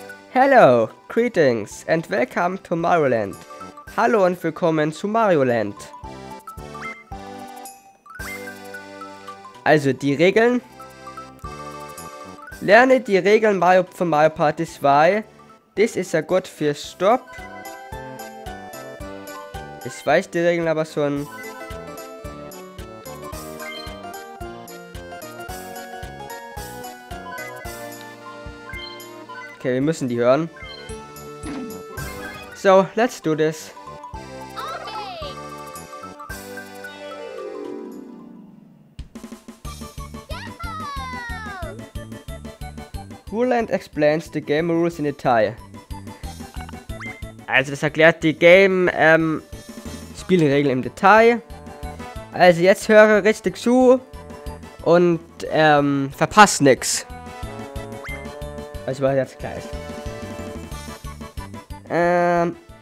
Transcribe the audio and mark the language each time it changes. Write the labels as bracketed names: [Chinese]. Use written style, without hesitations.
[English] Hello, greetings and welcome to Mario Land. [German] Hallo und willkommen zu Mario Land. Also die Regeln. Lerne die Regeln von Mario Party 2. [English] This is a good first stop. [German] Ich weiß die Regeln aber schon. Okay, wir müssen die hören. [English] So, let's do this. Okay. Woolland explains the game rules in detail. [German] Also, das erklärt die Game Spielregeln im Detail. Also, jetzt höre richtig zu und verpasst nichts. Also, was jetzt klar ist.